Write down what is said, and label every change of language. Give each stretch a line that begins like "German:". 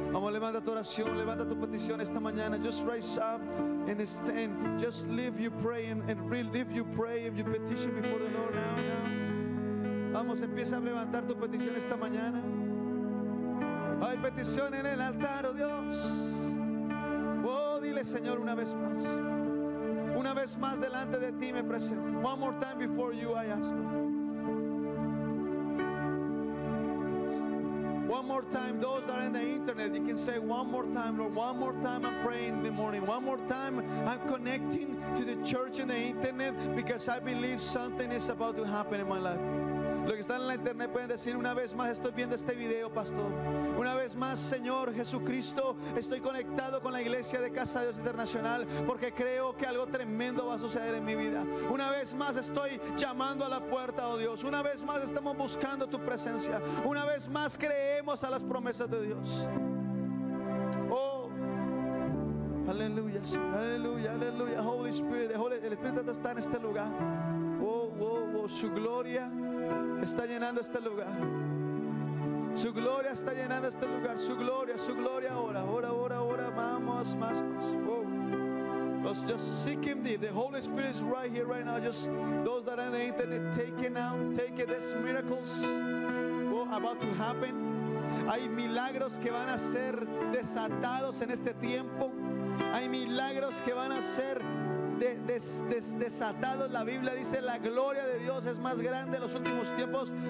Spanish: Levanta tu oración, levanta tu petición esta mañana.
English: Just rise up and stand. Just leave you praying and relive you praying your petition before the Lord now, now.
Spanish: Vamos, empieza a levantar tu petición esta mañana. Hay petición en el altar, oh Dios. Oh, dile Señor una vez más. Una vez más delante de ti me presento.
English: One more time before you I ask. One more time, those that are in the internet, you can say one more time, Lord, one more time I'm praying in the morning, one more time I'm connecting to the church in the internet because I believe something is about to happen in my life.
Spanish: Los que están en la internet pueden decir una vez más estoy viendo este video, pastor. Una vez más, Señor Jesucristo, estoy conectado con la iglesia de Casa de Dios Internacional porque creo que algo tremendo va a suceder en mi vida. Una vez más estoy llamando a la puerta, oh Dios. Una vez más estamos buscando tu presencia. Una vez más creemos a las promesas de Dios. Oh, aleluya, aleluya, aleluya.
English: Holy Spirit,
Spanish: el Espíritu está en este lugar. Oh, oh, oh, su gloria está llenando este lugar. Su gloria está llenando este lugar. Su gloria ahora, ahora, ahora, ahora. Vamos, más, más. Oh.
English: Let's just seek Him deep. The Holy Spirit is right here, right now. Just those that are on the internet, take it now. Take it. There's miracles about to happen.
Spanish: Hay milagros que van a ser desatados en este tiempo. Hay milagros que van a ser desatado. La Biblia dice la gloria de Dios es más grande en los últimos tiempos.